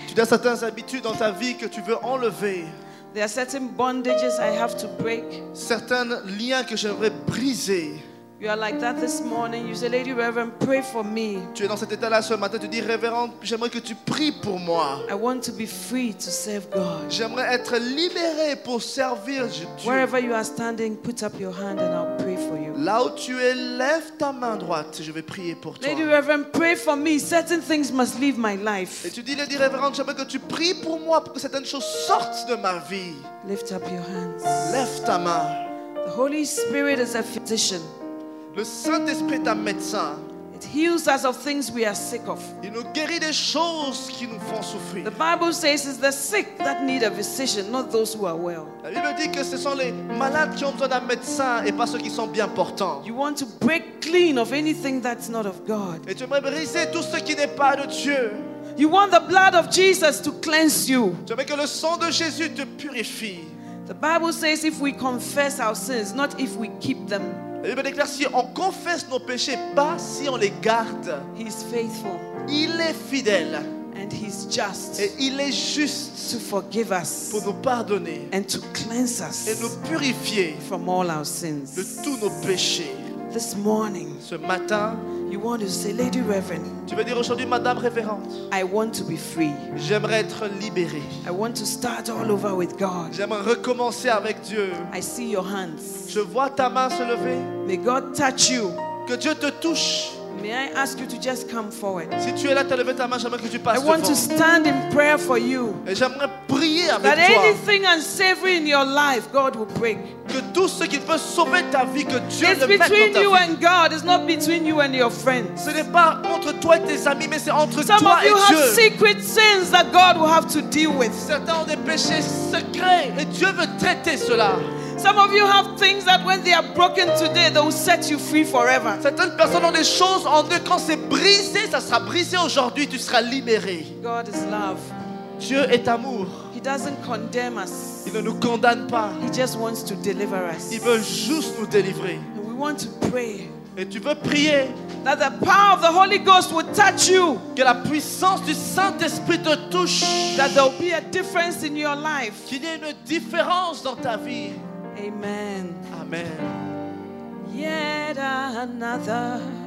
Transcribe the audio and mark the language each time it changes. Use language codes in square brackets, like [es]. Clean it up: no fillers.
[fr] Tu as certaines habitudes dans ta vie que tu veux enlever. [en] There are certain bondages I have to break. [fr] Certains liens que j'aimerais briser. [en] You are like that this morning. You say, Lady Reverend, pray for me. [fr] Tu es dans cet état-là ce matin. Tu dis, Révérende, j'aimerais que tu pries pour moi. [en] I want to be free to serve God. [fr] J'aimerais être libéré pour servir Dieu. [en] Wherever you are standing, put up your hand and I'll pray for you. [fr] Là où tu es, lève ta main droite. Je vais prier pour toi. [en] Lady Reverend, pray for me. Certain things must leave my life. [fr] Et tu dis, Lady Reverend, j'aimerais que tu pries pour moi pour que certaines choses sortent de ma vie. [en] Lift up your hands. [fr] Lève ta main. [en] The Holy Spirit is a physician. [fr] Le Saint-Esprit est un médecin. [en] It heals us of things we are sick of. [fr] Il nous guérit des choses qui nous font souffrir. [en] The Bible says it's the sick that need a physician, not those who are well. [fr] La Bible dit que ce sont les malades qui ont besoin d'un médecin et pas ceux qui sont bien portants. [en] You want to break clean of anything that's not of God. [fr] Et tu aimerais briser tout ce qui n'est pas de Dieu. [en] You want the blood of Jesus to cleanse you. [fr] Tu aimerais que le sang de Jésus te purifie. [en] The Bible says if we confess our sins, not if we keep them. [fr] La Bible déclare si on confesse nos péchés, pas si on les garde. [en] He is faithful. [fr] Il est fidèle. [en] And he is just. [fr] Et il est juste. [en] To forgive us. [fr] Pour nous pardonner. [en] And to cleanse us. [fr] Et nous purifier. [en] From all our sins. [fr] De tous nos péchés. [en] This morning. [fr] Ce matin. [en] You want to say, Lady Reverend. [fr] Tu veux dire aujourd'hui, Madame Révérende. [en] I want to be free. [fr] J'aimerais être libéré. [en] I want to start all over with God. [fr] J'aimerais recommencer avec Dieu. [en] I see your hands. [fr] Je vois ta main se lever. [en] May God touch you. [fr] Que Dieu te touche. [en] May I ask you to just come forward? [fr] Si tu es là, t'as levé ta main, j'aimerais que tu passes devant. [en] I want to stand in prayer for you. [fr] Et j'aimerais prier avec [en] that [fr] toi. [en] That anything unsavory in your life, God will break. [fr] Que tout ce qui peut sauver ta vie, que Dieu [en] it's [fr] le mette dans ta vie. [en] It's between you and God. It's not between you and your friends. [fr] Ce n'est pas entre toi et tes amis, mais c'est entre [en] some [fr] toi et Dieu. [en] Some of you have secret sins that God will have to deal with. [fr] Certains ont des péchés secrets et Dieu veut traiter cela. [en] Some of you have things that when they are broken today, they will set you free forever. [fr] Certaines personnes ont des choses en eux, quand c'est brisé, ça sera brisé aujourd'hui, tu seras libéré. [en] God is love. [fr] Dieu est amour. [en] He doesn't condemn us. [fr] Il ne nous condamne pas. [en] He just wants to deliver us. [fr] Il veut juste nous délivrer. [en] And we want to pray. [fr] Et tu veux prier. [en] That the power of the Holy Ghost will touch you. [fr] Que la puissance du Saint-Esprit te touche. [en] That there will be a difference in your life. [fr] Qu'il y ait une différence dans ta vie. [en] Amen. [fr] Amen. [en] Yet another